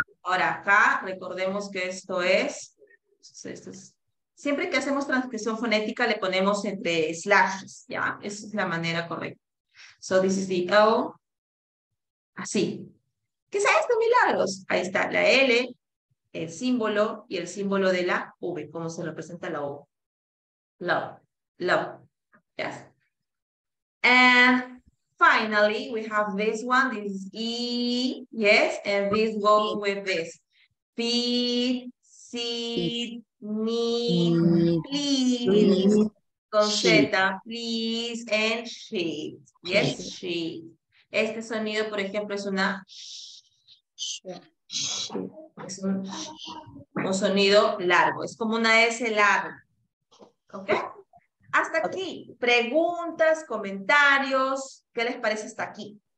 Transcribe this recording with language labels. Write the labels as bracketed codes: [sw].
[es] Ahora acá recordemos que esto es, siempre que hacemos transcripción fonética le ponemos entre slashes, ¿ya? Esa es la manera correcta. [en] So this is the O, [es] así. ¿Qué es esto, Milagros? Ahí está, la L, el símbolo y el símbolo de la V, cómo se representa la O. [en] Love, love, yes. And finally, we have this one, this is E, yes, and this goes with this. Feed, seed, need, please, [es] con Z, [en] please, and sheet. Yes, sheet. [es] Este sonido, por ejemplo, es una es un sonido largo, es como una S larga. ¿Ok? Hasta aquí. Preguntas, comentarios. ¿Qué les parece hasta aquí?